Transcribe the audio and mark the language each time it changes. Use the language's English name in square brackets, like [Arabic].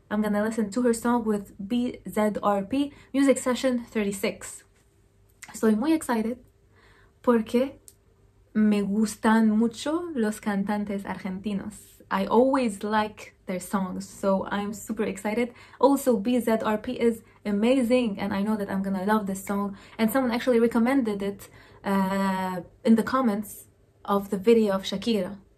[English] I'm gonna listen to her song with Bzrp, Music Session 36. [Spanish] Estoy muy excited porque me gustan mucho los cantantes argentinos. [English] I always like their songs, so I'm super excited. Also, Bzrp is amazing, and I know that I'm gonna love this song. And someone actually recommended it in the comments of the video of Shakira.